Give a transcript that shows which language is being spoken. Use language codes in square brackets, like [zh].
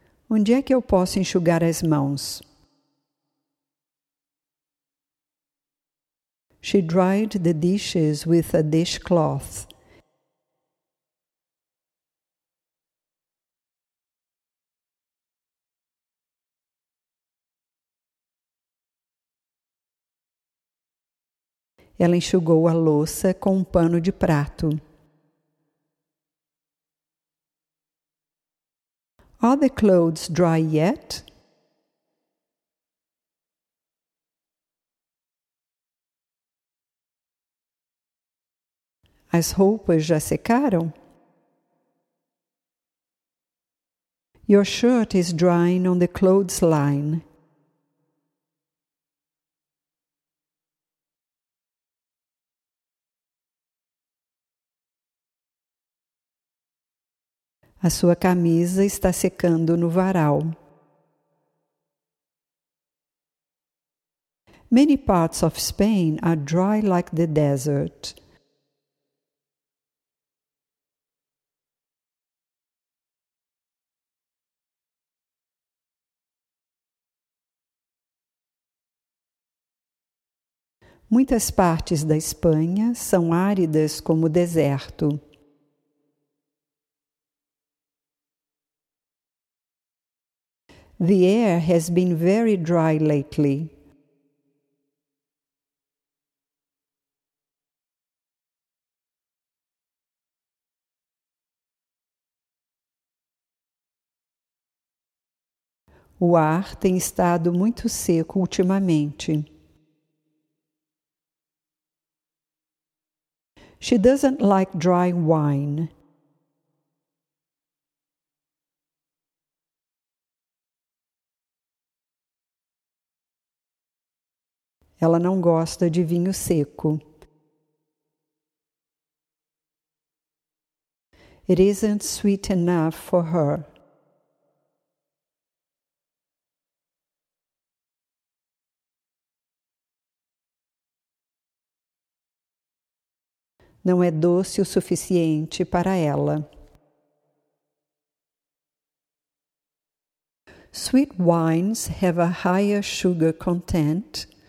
[pt] Onde é que eu posso enxugar as mãos? [en] She dried the dishes with a dishcloth. [pt] Ela enxugou a louça com um pano de prato. [en] Are the clothes dry yet? [pt] As roupas já secaram? [en] Your shirt is drying on the clothes line. [pt] A sua camisa está secando no varal. [en] Many parts of Spain are dry like the desert. [pt] Muitas partes da Espanha são áridas como o deserto. [en] The air has been very dry lately. [pt] O ar tem estado muito seco ultimamente. [en] She doesn't like dry wine. [pt] Ela não gosta de vinho seco. [en] It isn't sweet enough for her. [pt] Não é doce o suficiente para ela. [en] Sweet wines have a higher sugar content.